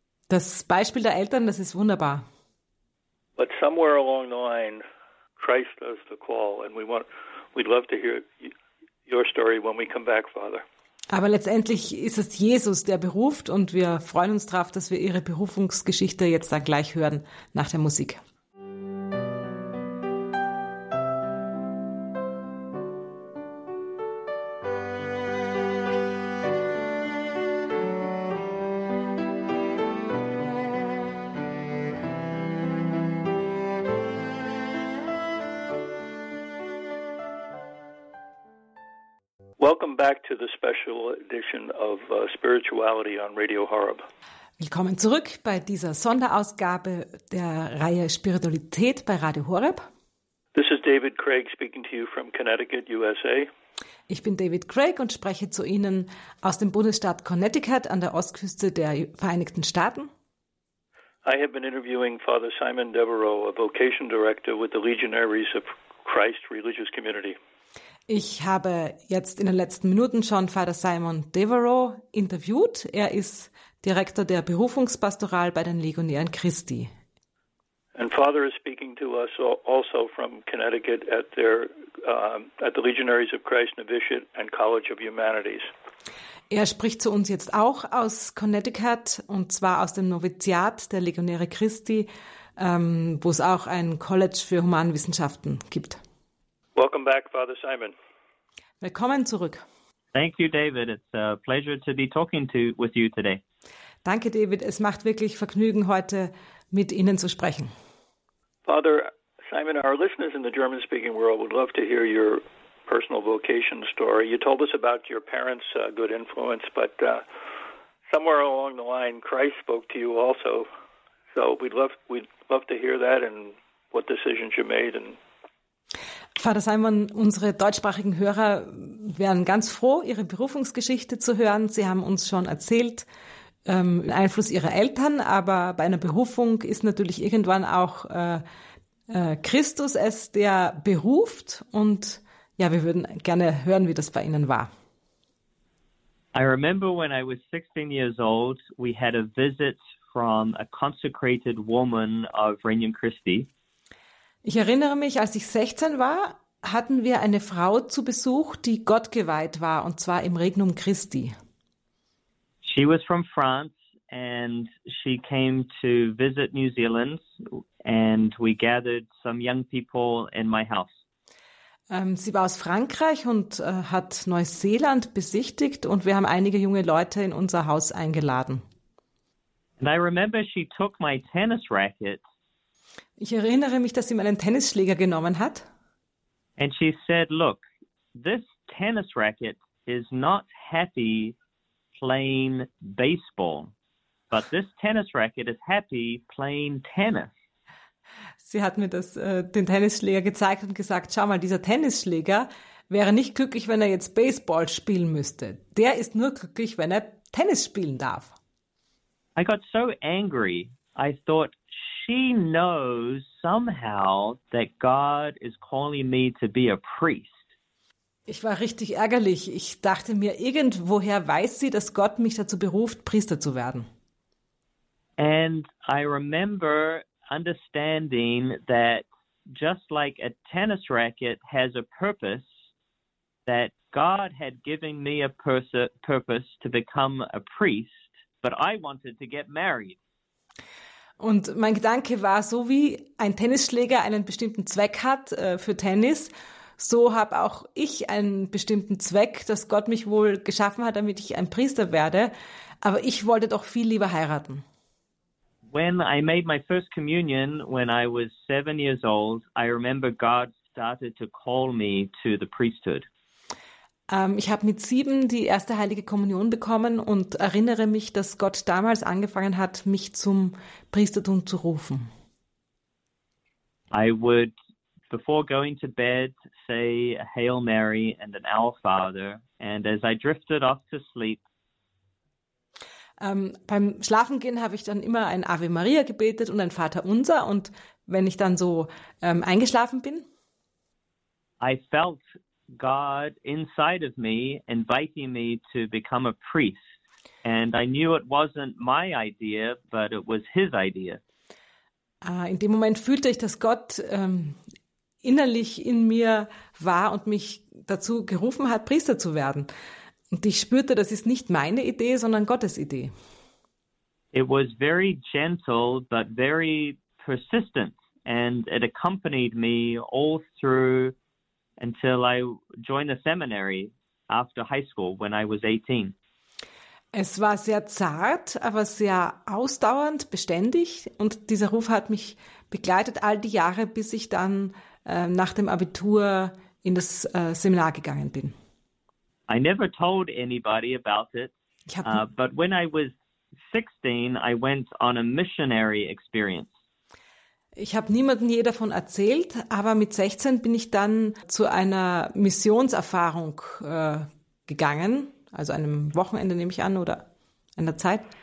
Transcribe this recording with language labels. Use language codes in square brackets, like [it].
[de] Das Beispiel der Eltern, das ist wunderbar. [en] But somewhere along the line, Christ does the call, and we'd love to hear your story when we come back, Father. [de] Aber letztendlich ist es Jesus, der beruft, und wir freuen uns darauf, dass wir ihre Berufungsgeschichte jetzt dann gleich hören nach der Musik. [en] Back to the special edition of Spirituality on Radio Horeb. [de] Willkommen zurück bei dieser Sonderausgabe der Reihe Spiritualität bei Radio Horeb. [en] This is David Craig speaking to you from Connecticut, USA. [de] Ich bin David Craig und spreche zu Ihnen aus dem Bundesstaat Connecticut an der Ostküste der Vereinigten Staaten. [en] I have been interviewing Father Simon Devereaux, a vocation director with the Legionaries of Christ Religious Community. [de] Ich habe jetzt in den letzten Minuten schon Father Simon Devereaux interviewt. Er ist Direktor der Berufungspastoral bei den Legionären Christi. [en] And Father is speaking to us also from Connecticut at the Legionaries of Christ Novitiate and College of Humanities. [de] Er spricht zu uns jetzt auch aus Connecticut, und zwar aus dem Noviziat der Legionäre Christi, wo es auch ein College für Humanwissenschaften gibt. [en] Welcome back, Father Simon. [de] Willkommen zurück. [en] Thank you, David. It's a pleasure to be talking to with you today. [de] Danke, David. Es macht wirklich Vergnügen, heute mit Ihnen zu sprechen. [en] Father Simon, our listeners in the German-speaking world would love to hear your personal vocation story. You told us about your parents' good influence, but somewhere along the line, Christ spoke to you also. So we'd love to hear that and what decisions you made. And [de] Vater Simon, unsere deutschsprachigen Hörer wären ganz froh, Ihre Berufungsgeschichte zu hören. Sie haben uns schon erzählt, Einfluss Ihrer Eltern, aber bei einer Berufung ist natürlich irgendwann auch Christus es, der beruft. Und ja, wir würden gerne hören, wie das bei Ihnen war. [en] I remember when I was 16 years old, we had a visit from a consecrated woman of Reunion Christi. [de] Ich erinnere mich, als ich 16 war, hatten wir eine Frau zu Besuch, die Gott geweiht war, und zwar im Regnum Christi. [en] She was from France and she came to visit New Zealand and we gathered some young people in my house. [de] Sie war aus Frankreich und hat Neuseeland besichtigt und wir haben einige junge Leute in unser Haus eingeladen. [en] And I remember she took my tennis racket. [de] Ich erinnere mich, dass sie meinen Tennisschläger genommen hat. [en] And she said, look, this tennis racket is not happy playing baseball, but this tennis racket is happy playing tennis. [de] Sie hat mir das, den Tennisschläger gezeigt und gesagt, schau mal, dieser Tennisschläger wäre nicht glücklich, wenn er jetzt Baseball spielen müsste. Der ist nur glücklich, wenn er Tennis spielen darf. [en] I got so angry, I thought, she knows somehow that God is calling me to be a priest. [de] Ich war richtig ärgerlich. Ich dachte mir, irgendwoher weiß sie, dass Gott mich dazu beruft, Priester zu werden. [en] And I remember understanding that just like a tennis racket has a purpose, that God had given me a purpose to become a priest, but I wanted to get married. [de] Und mein Gedanke war, so wie ein Tennisschläger einen bestimmten Zweck hat für Tennis, so habe auch ich einen bestimmten Zweck, dass Gott mich wohl geschaffen hat, damit ich ein Priester werde. Aber ich wollte doch viel lieber heiraten. [en] When I made my first communion, when I was 7 years old, I remember God started to call me to the priesthood. [de] Ich habe mit 7 die erste heilige Kommunion bekommen und erinnere mich, dass Gott damals angefangen hat, mich zum Priestertum zu rufen. [en] I would, before going to bed, say a Hail Mary and an Our Father, and as I drifted off to sleep. [de] Beim Schlafengehen habe ich dann immer ein Ave Maria gebetet und ein Vater Unser, und wenn ich dann so eingeschlafen bin. [en] I felt God inside of me inviting me to become a priest, and I knew it wasn't my idea, but it was his idea. [de] In dem Moment fühlte ich, dass Gott innerlich in mir war und mich dazu gerufen hat, Priester zu werden. Und ich spürte, das ist nicht meine Idee, sondern Gottes Idee. [en] It was very gentle, but very persistent, and it accompanied me all through until I joined the seminary after high school when I was 18. [de] Es war sehr zart, aber sehr ausdauernd, beständig. Und dieser Ruf hat mich begleitet all die Jahre, bis ich dann nach dem Abitur in das Seminar gegangen bin. [en] I never told anybody about it. But when I was 16, I went on a missionary experience. [de] Ich habe niemandem je davon erzählt, aber mit 16 bin ich dann zu einer Missionserfahrung gegangen, also einem Wochenende nehme ich an oder einer Zeit.